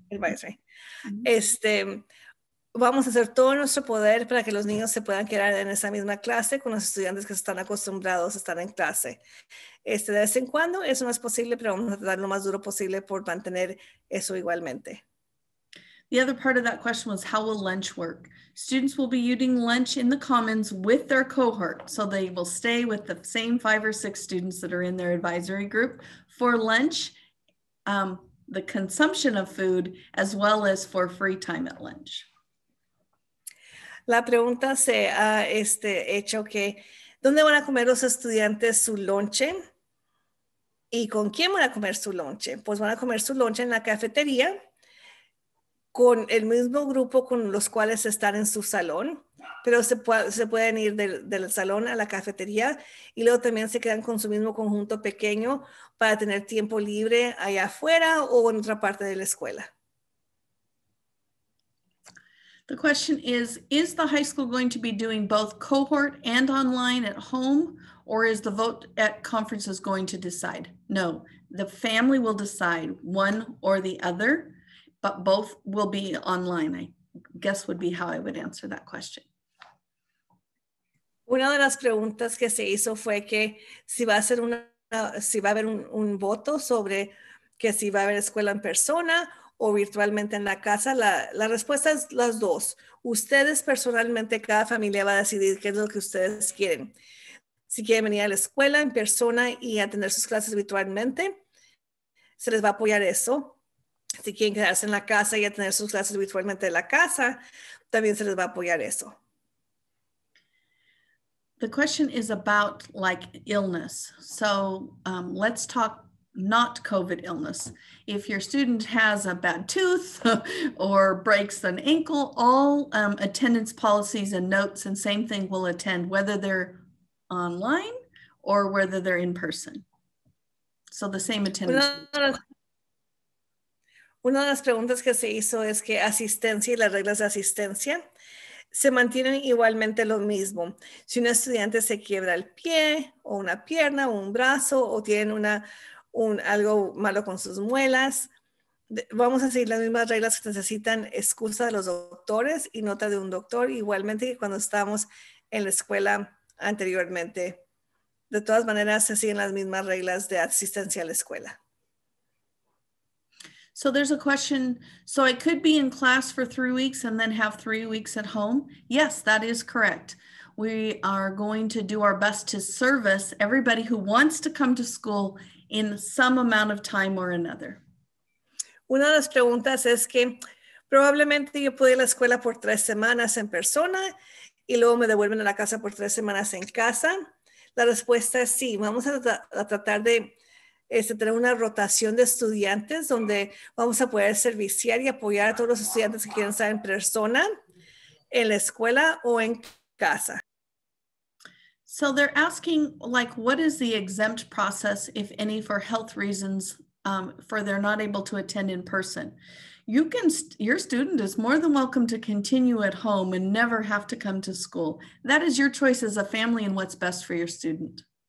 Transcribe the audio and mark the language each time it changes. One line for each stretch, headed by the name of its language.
English: Advisory. Mm-hmm.
Spanish: Vamos a hacer todo nuestro poder para que los niños se puedan quedar en esa misma clase con los estudiantes que están acostumbrados a estar en clase. De vez en cuando eso no es posible, pero vamos a dar lo más duro posible por mantener eso igualmente.
English: The other part of that question was, how will lunch work? Students will be eating lunch in the commons with their cohort, so they will stay with the same 5 or 6 students that are in their advisory group for lunch, the consumption of food, as well as for free time at lunch.
Spanish: La pregunta se ha hecho que, ¿dónde van a comer los estudiantes su lonche? ¿Y con quién van a comer su lonche? Pues van a comer su lonche en la cafetería con el mismo grupo con los cuales están en su salón, pero se pueden ir del salón a la cafetería y luego también se quedan con su mismo conjunto pequeño para tener tiempo libre allá afuera o en otra parte de la escuela.
English: The question is the high school going to be doing both cohort and online at home, or is the vote at conferences going to decide? No, the family will decide one or the other, but both will be online, I guess would be how I would answer that question.
Spanish: Una de las preguntas que se hizo fue que si va a haber un voto sobre que si va a haber escuela en persona o virtualmente en la casa, la respuesta es las dos. Ustedes personalmente, cada familia va a decidir qué es lo que ustedes quieren. Si quieren venir a la escuela en persona y atender sus clases virtualmente, se les va a apoyar eso. Si quieren quedarse en la casa y atender sus clases virtualmente en la casa, también se les va a apoyar eso.
English: The question is about like illness. So let's talk not COVID illness. If your student has a bad tooth or breaks an ankle, all attendance policies and notes and same thing will attend whether they're online or whether they're in person. So the same attendance.
Spanish: Una de las preguntas que se hizo es que asistencia y las reglas de asistencia se mantienen igualmente lo mismo. Si un estudiante se quiebra el pie o una pierna o un brazo o tiene algo malo con sus muelas, vamos a seguir las mismas reglas que necesitan excusa de los doctores y nota de un doctor, igualmente que cuando estábamos en la escuela anteriormente. De todas maneras, se siguen las mismas reglas de asistencia a la escuela.
English: So there's a question. So I could be in class for 3 weeks and then have 3 weeks at home. Yes, that is correct. We are going to do our best to service everybody who wants to come to school in some amount of time or another.
Spanish: Una de las preguntas es que probablemente yo puedo ir a la escuela por 3 semanas en persona y luego me devuelven a la casa por 3 semanas en casa. La respuesta es sí. Vamos a tratar de tener una rotación de estudiantes donde vamos a poder serviciar y apoyar a todos los estudiantes que quieren estar en persona, en la escuela o en casa.
English: So they're asking, like, what is the exempt process, if any, for health reasons, for they're not able to attend in person? You can, your student is more than welcome to continue at home and never have to come to school. That is your choice as a family and what's best for your student.